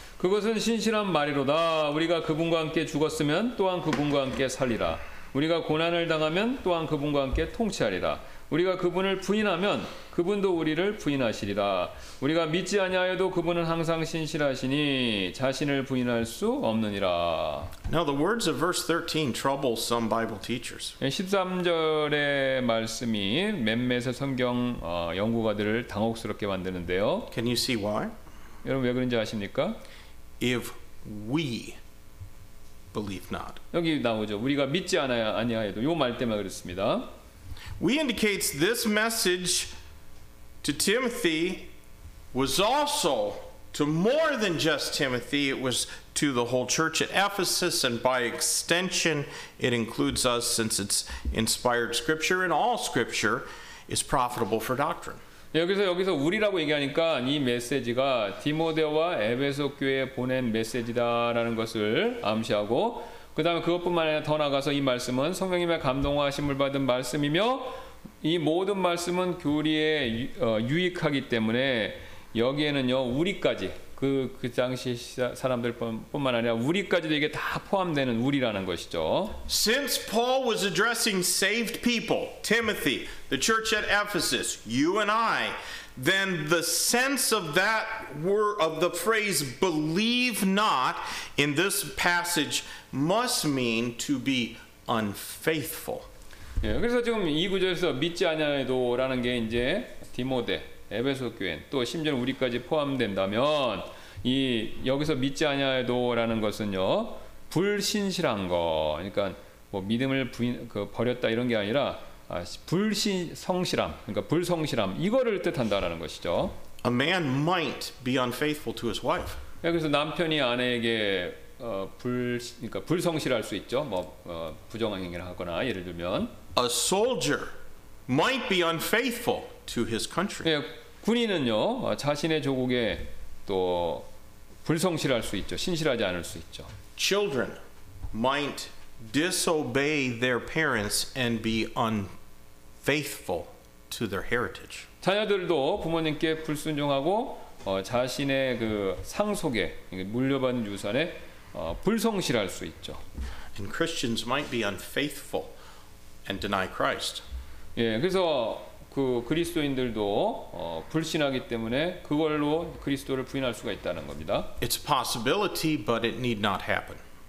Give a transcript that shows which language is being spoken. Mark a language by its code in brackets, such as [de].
[ko] 그것은 신실한 말이로다. 우리가 그분과 함께 죽었으면 또한 그분과 함께 살리라. 우리가 고난을 당하면 또한 그분과 함께 통치하리라. 우리가 그분을 부인하면 그분도 우리를 부인하시리라. 우리가 믿지 아니하여도 그분은 항상 신실하시니 자신을 부인할 수 없느니라. [en] Now the words of verse 13 trouble some Bible teachers. [ko] 13절의 말씀이 몇몇의 성경 연구가들을 당혹스럽게 만드는데요. [en] Can you see why? [ko] 여러분 왜 그런지 아십니까? [en] If we believe not. [ko] 여기 나오죠. 우리가 믿지 아니하여도 요 말 때문에 그렇습니다. [en] We indicates this message to Timothy was also to more than just Timothy. It was to the whole church at Ephesus, and by extension, it includes us since it's inspired scripture, and all scripture is profitable for doctrine. [ko] 여기서 우리라고 얘기하니까 이 메시지가 디모데와 에베소 교회에 보낸 메시지다라는 것을 암시하고 그 다음에 그것뿐만 아니라 더 나아가서 이 말씀은 성령님의 감동하심을 받은 말씀이며 이 모든 말씀은 교리에 유익하기 때문에 여기에는요 우리까지 그 당시 사람들뿐만 아니라 우리까지도 이게 다 포함되는 우리라는 것이죠. [en] Since Paul was addressing saved people, Timothy, the church at Ephesus, you and I, then the sense of that word of the phrase believe not in this passage must mean to be unfaithful. [ko] 예, 그래서 지금 이 구절에서 믿지 아니하도라는 게 이제 디모데, 에베소 교회 또 심지어 우리까지 포함된다면 이 여기서 믿지 아니하도라는 것은요. 불신실한 거. 그러니까 뭐 믿음을 버렸다 이런 게 아니라 불신성실함, 그러니까 불성실함 이거를 뜻한다라는 것이죠. [en] A man might be unfaithful to his wife. [ko] 그래서 남편이 아내에게 그러니까 불성실할 수 있죠. 뭐 부정한 행위를 하거나 예를 들면. [en] A soldier might be unfaithful to his country. [ko] 예, 군인은요 자신의 조국에 또 불성실할 수 있죠. 신실하지 않을 수 있죠. [en] Children might disobey their parents and be unfaithful to their heritage. [ko] 자녀들도 부모님께 불순종하고 자신의 그 상속에 물려받은 유산에 불성실할 수 있죠. [en] And Christians might be unfaithful and deny Christ. [ko] 예, 그래서 그 그리스도인들도 불신하기 때문에 그걸로 그리스도를 부인할 수가 있다는 겁니다. [en] It's a possibility, but it need not happen.